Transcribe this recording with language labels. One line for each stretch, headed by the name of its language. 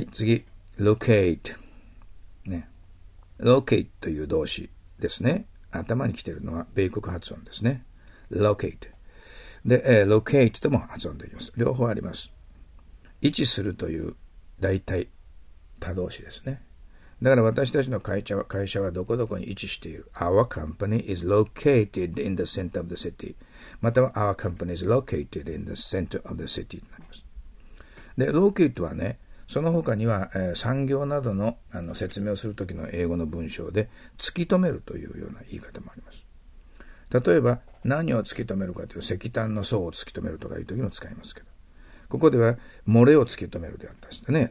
Japanese: はい、次、locate。ね、locate という動詞ですね。頭に来ているのは米国発音ですね。 locate。 で、locate とも発音できます。両方あります。位置するという大体、他動詞ですね。だから私たちの会社はどこどこに位置している。
English: Our company is located in the center of the city. または Our company is located in the center of the city となります。
Japanese: で、locate はね、その他には、産業などの、説明をするときの英語の文章で突き止めるというような言い方もあります。例えば、何を突き止めるかというと、石炭の層を突き止めるとかいうときも使いますけど。ここでは漏れを突き止めるであったですね。